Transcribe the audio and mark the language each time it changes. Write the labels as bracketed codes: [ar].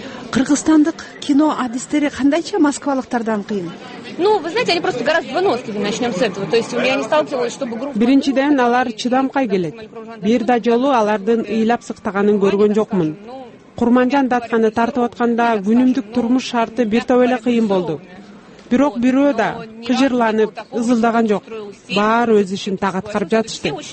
[ky] Кыргызстандык кино адистери кандайча москвалыктардан кыйын? [ru] Ну, вы знаете, они просто гораздо выносливее, начнем с этого. То есть, я не сталкивалась, чтобы группа... [ky] Биринчиден, алар чыдамкай келет. Бир да жолу алардын ыйлап сыктаганын көргөн жокмун. Курманжан датканы тартып атканда, күнүмдүк турмуш шарты бир топ эле кыйын болду. Бирок бирөө да кыжырланып, ызылдаган жок. Баары өз ишин так аткарып жатышты.